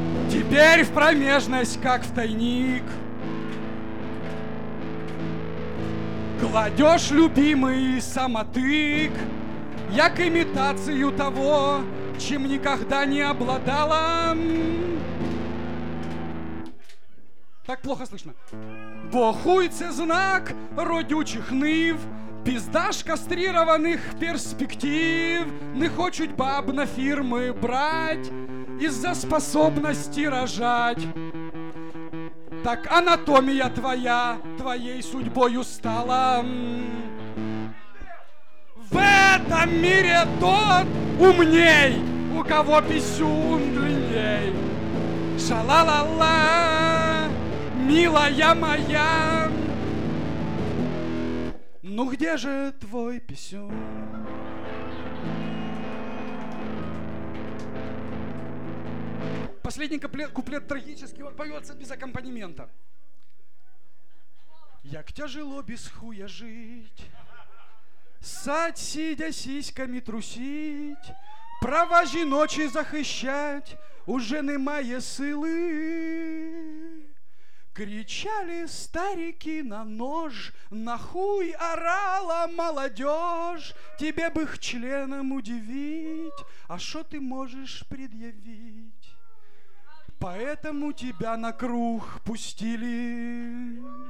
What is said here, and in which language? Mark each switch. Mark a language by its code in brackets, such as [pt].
[ru] Теперь в промежность, как в тайник, кладешь любимый самотык, [uk] як [ru] имитацию того, чем никогда не обладала. Так плохо слышно. [uk] Бо хуй це знак родючих нив, пізда ж кастрированих перспектив. Не хочуть баб на фірми брать із-за способності рожать. Так анатомія твоя твоєю судьбою стала. [ru] В этом мире тот умней, у кого писюн длинней. Ша-ла-ла-ла, милая моя, ну где же твой писюн? Последний куплет трагический, он поется без аккомпанемента. [uk] Як [ru] тяжело [uk] без хуя жить, сать сидя сиськами трусить, права жіночі захищать, уже немає сили. [ru] Кричали старики на нож, нахуй орала молодежь, тебе бы их членом удивить, а шо ты можешь предъявить? Поэтому тебя на круг пустили.